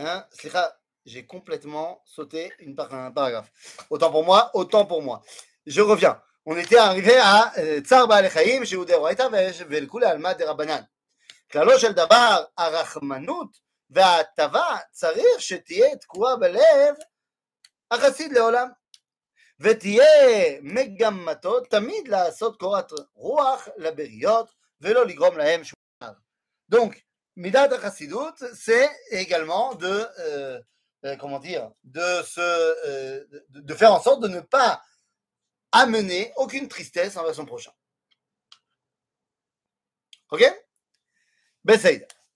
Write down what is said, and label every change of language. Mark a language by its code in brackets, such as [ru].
[fr] סליחה, j'ai complètement sauté une paragraphe. Autant pour moi. Je reviens. On était arrivé à [he] צער בעלי חיים שהוא דאורייתא ולכולי עלמא דרבנן. כללו של דבר הרחמנות וההטבה צריך שתהיה תקועה בלב החסיד לעולם. ותהיה מגמתו תמיד לעשות קורת רוח לבריות ולא לגרום להם שום דבר. [fr] דונק, [he] מידת החסידות זה [fr] également de, comment dire, de, se, de faire en sorte de ne pas amener aucune tristesse envers son prochain. Ok? Beseida.